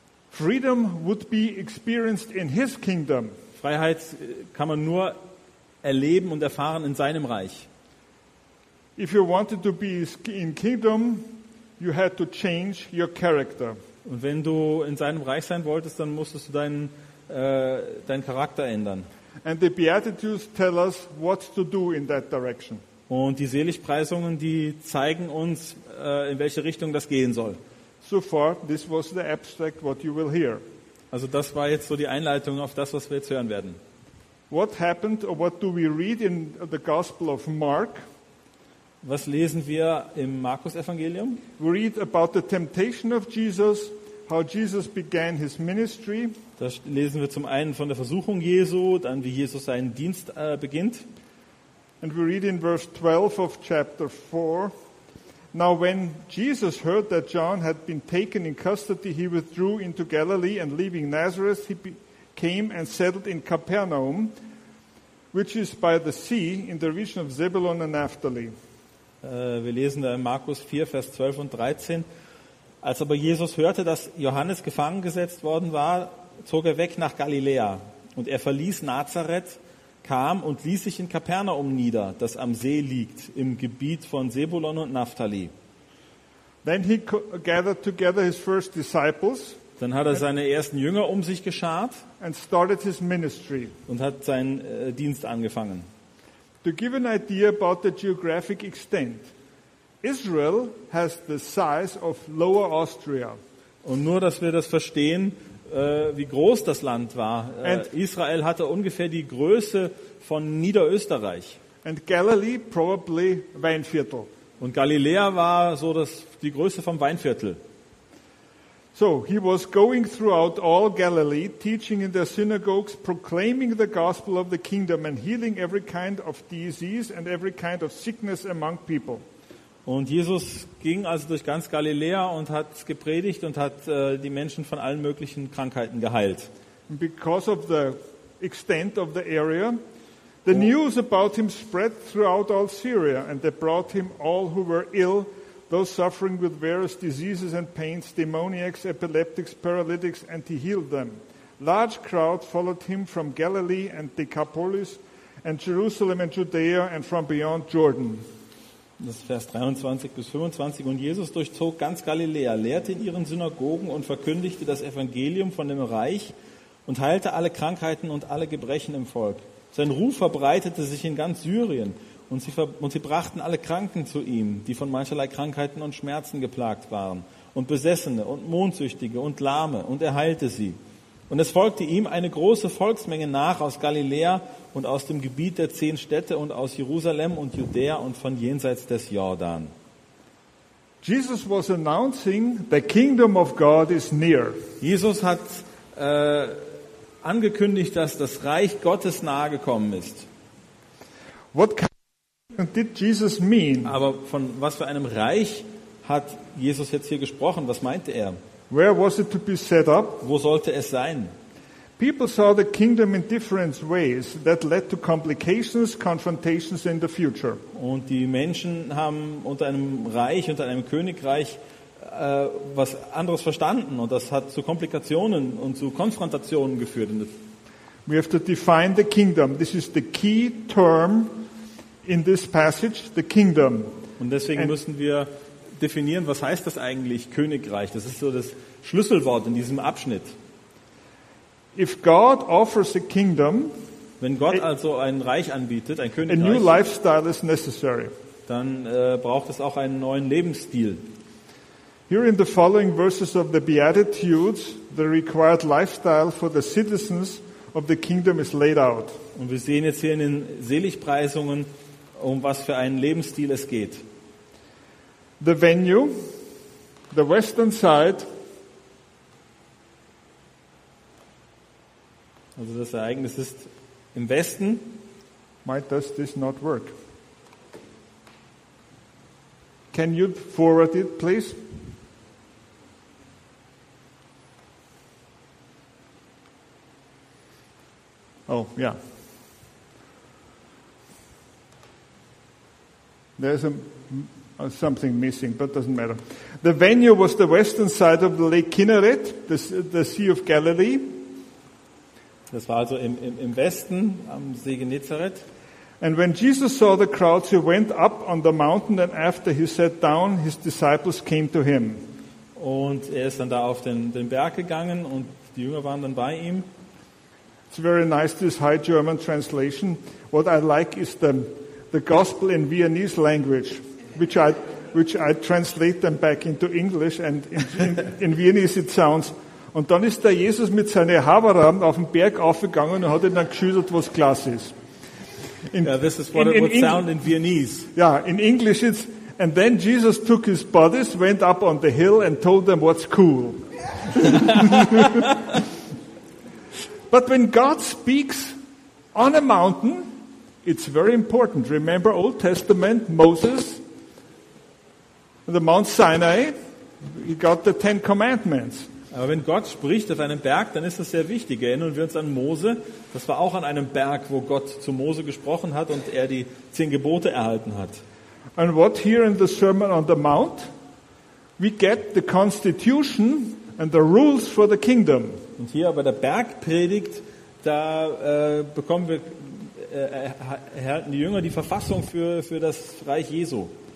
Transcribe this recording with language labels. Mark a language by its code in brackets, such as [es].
[en] Freedom would be experienced in his kingdom. [de] Freiheit kann man nur erleben und erfahren in seinem Reich. [en] If you wanted to be in kingdom, you had to change your character. [de] Und wenn du in seinem Reich sein wolltest, dann musstest du deinen Charakter ändern. [en] And the Beatitudes tell us what to do in that direction. [de] Und die Seligpreisungen, die zeigen uns, in welche Richtung das gehen soll. [en] So far, this was the abstract what you will hear. [de] Also das war jetzt so die Einleitung auf das, was wir jetzt hören werden. [en] What happened or what do we read in the Gospel of Mark? [de] Was lesen wir im Markus-Evangelium? [en] We read about the temptation of Jesus, how Jesus began his ministry. [de] Da lesen wir zum einen von der Versuchung Jesu, dann wie Jesus seinen Dienst beginnt. [en] And we read in verse 12 of chapter 4. Now when Jesus heard that John had been taken in custody, he withdrew into Galilee and leaving Nazareth, he came and settled in Capernaum, which is by the sea in the region of Zebulun and Naphtali. [de] Wir lesen da in Markus 4, Vers 12 und 13. Als aber Jesus hörte, dass Johannes gefangen gesetzt worden war, zog er weg nach Galiläa. Und er verließ Nazareth, kam und ließ sich in Kapernaum nieder, das am See liegt, im Gebiet von Zebulon und Naphtali. [en] Then he gathered together his first disciples. [de] Dann hat er seine ersten Jünger um sich geschart. [en] And started his ministry. [de] Und hat seinen Dienst angefangen. [en] To give an idea about the geographic extent, Israel has the size of Lower Austria. [de] Und nur, dass wir das verstehen, wie groß das Land war. Israel hatte ungefähr die Größe von Niederösterreich. [en] And Galilee probably Weinviertel. [de] Und Galiläa war so das die Größe vom Weinviertel. [en] So he was going throughout all Galilee, teaching in their synagogues, proclaiming the gospel of the kingdom and healing every kind of disease and every kind of sickness among people. [de] Und Jesus ging also durch ganz Galiläa und hat gepredigt und hat die Menschen von allen möglichen Krankheiten geheilt. [en] Because of the extent of the area, the news about him spread throughout all Syria and they brought him all who were ill, those suffering with various diseases and pains, demoniacs, epileptics, paralytics, and he healed them. Large crowds followed him from Galilee and Decapolis and Jerusalem and Judea and from beyond Jordan. [de] Das ist Vers 23 bis 25. Und Jesus durchzog ganz Galiläa, lehrte in ihren Synagogen und verkündigte das Evangelium von dem Reich und heilte alle Krankheiten und alle Gebrechen im Volk. Sein Ruf verbreitete sich in ganz Syrien. Und sie brachten alle Kranken zu ihm, die von mancherlei Krankheiten und Schmerzen geplagt waren, und Besessene und Mondsüchtige und Lahme, und er heilte sie. Und es folgte ihm eine große Volksmenge nach aus Galiläa und aus dem Gebiet der 10 Städte und aus Jerusalem und Judäa und von jenseits des Jordan. [en] Jesus was announcing, the kingdom of God is near. [de] Jesus hat angekündigt, dass das Reich Gottes nahe gekommen ist. [en] Did Jesus mean? [de] Aber von was für einem Reich hat Jesus jetzt hier gesprochen? Was meinte er? [en] Where was it to be set up? [de] Wo sollte es sein? [en] People saw the kingdom in different ways that led to complications, confrontations in the future. [de] Und die Menschen haben unter einem Reich, unter einem Königreich was anderes verstanden und das hat zu Komplikationen und zu Konfrontationen geführt. [en] We have to define the kingdom. This is the key term in this passage, the kingdom. [de] Und deswegen müssen wir definieren, was heißt das eigentlich, Königreich? Das ist so das Schlüsselwort in diesem Abschnitt. [en] If God offers a kingdom, [de] wenn Gott also ein Reich anbietet, ein Königreich, [en] a new lifestyle is necessary. [de] Dann braucht es auch einen neuen Lebensstil. [en] Here in the following verses of the Beatitudes, the required lifestyle for the citizens of the kingdom is laid out. [de] Und wir sehen jetzt hier in den Seligpreisungen, um was für einen Lebensstil es geht. [en] The venue, the western side. [de] Also das Ereignis ist im Westen. [en] Why does this not work? Can you forward it, please? Oh, yeah. There's something missing, but doesn't matter. The venue was the western side of the Lake Kinneret, the Sea of Galilee. [de] Das war also im Westen, am See Genezareth. [en] And when Jesus saw the crowds, he went up on the mountain, and after he sat down, his disciples came to him. [de] Und er ist dann da auf den Berg gegangen, und die Jünger waren dann bei ihm. [en] It's very nice, this High German translation. What I like is the gospel in Viennese language, which I translate them back into English, and in Viennese it sounds. [de] Und dann ist der Jesus mit seinen Haberern auf den Berg aufgegangen und hat ihn dann geschüttelt, was klasse ist. [en] This is what it would sound in Viennese. Yeah, in English it's, and then Jesus took his buddies, went up on the hill and told them what's cool. But when God speaks on a mountain, it's very important. Remember Old Testament, Moses, the Mount Sinai, he got the Ten Commandments. [de] Aber wenn Gott spricht auf einem Berg, dann ist das sehr wichtig. Erinnern wir uns an Mose. Das war auch an einem Berg, wo Gott zu Mose gesprochen hat und er die 10 Gebote erhalten hat. [en] And what here in the Sermon on the Mount? We get the constitution and the rules for the kingdom. [de] Und hier bei der Bergpredigt, da bekommen wir, erhalten die Jünger die Verfassung für das Reich Jesu.